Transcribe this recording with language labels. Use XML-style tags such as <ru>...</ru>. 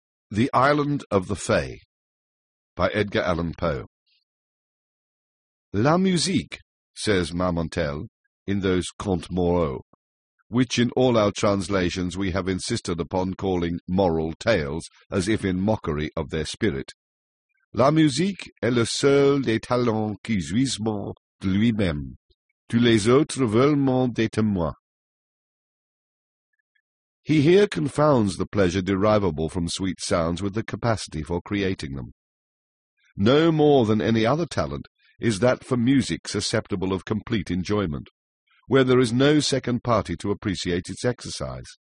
<en>The Island of the Fae by Edgar Allan Poe.</en> <fr>La musique,</fr> <en>says Marmontel, in those</en> <fr>contes moraux,</fr> <en>which in all our translations we have insisted upon calling moral tales, as if in mockery of their spirit.</en> <fr>La musique est le seul des talents qui jouissent de lui-même. Tous les autres veulent des témoins.</fr> <en>He here confounds the pleasure derivable from sweet sounds with the capacity for creating them. No more than any other talent is that for music susceptible of complete enjoyment, where there is no second party to appreciate its exercise.</en>